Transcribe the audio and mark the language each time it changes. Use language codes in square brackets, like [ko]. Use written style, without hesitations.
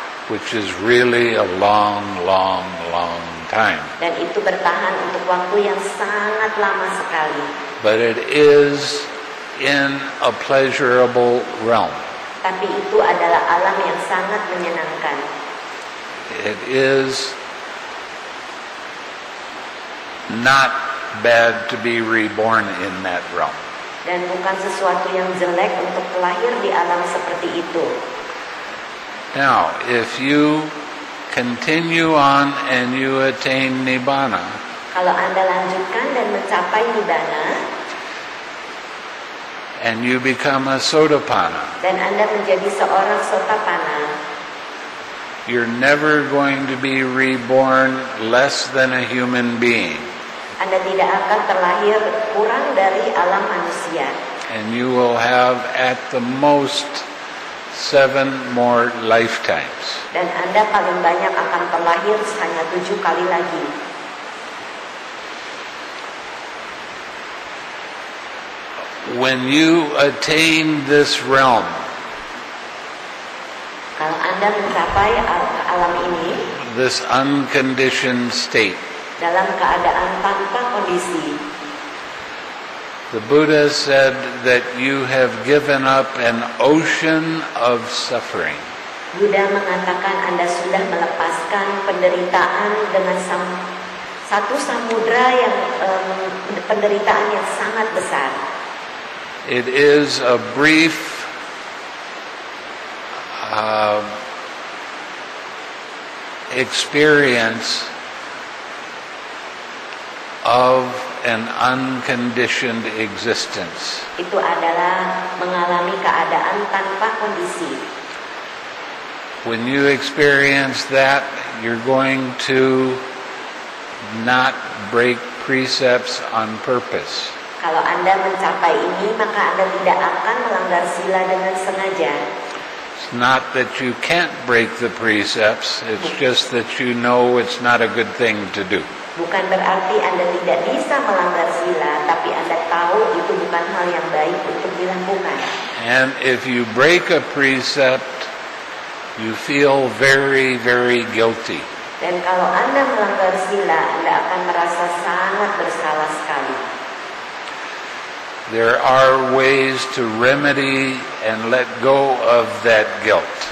[en] Which is really a long, long, long time. [id] Dan itu bertahan untuk waktu yang sangat lama sekali. [en] But it is in a pleasurable realm. [id] Tapi itu adalah alam yang sangat menyenangkan. [en] It is not bad to be reborn in that realm. [id] Dan bukan sesuatu yang jelek untuk lahir di alam seperti itu. [en] Now, if you continue on and you attain Nibbana, [id] kalau Anda lanjutkan dan mencapai Nibbana, [en] and you become a Sotapanna, [id] dan Anda menjadi seorang Sotapanna, [en] you're never going to be reborn less than a human being. [id] Anda tidak akan terlahir kurang dari alam manusia. [en] And you will have at the most 7 more lifetimes. [id] Dan Anda paling banyak akan terlahir hanya 7 kali lagi. [en] When you attain this realm, [id] kalau Anda mencapai alam ini, [en] this unconditioned state, [id] dalam keadaan tanpa kondisi, [en] the Buddha said that you have given up an ocean of suffering. [id] Buddha mengatakan Anda sudah melepaskan penderitaan dengan satu samudra yang penderitaan yang sangat besar. [en] It is a brief experience of an unconditioned existence. [id] Itu adalah mengalami keadaan tanpa kondisi. [en] When you experience that, you're going to not break precepts on purpose. [id] Kalau Anda mencapai ini, maka Anda tidak akan melanggar sila dengan sengaja. [en] It's not that you can't break the precepts, it's just that you know it's not a good thing to do. [id] Bukan berarti Anda tidak bisa melanggar sila, tapi Anda tahu itu bukan hal yang baik untuk dilakukan. [en] And if you break a precept, you feel very, very guilty. [id] Dan kalau Anda melanggar sila, Anda akan merasa sangat bersalah sekali. [en] There are ways to remedy and let go of that guilt.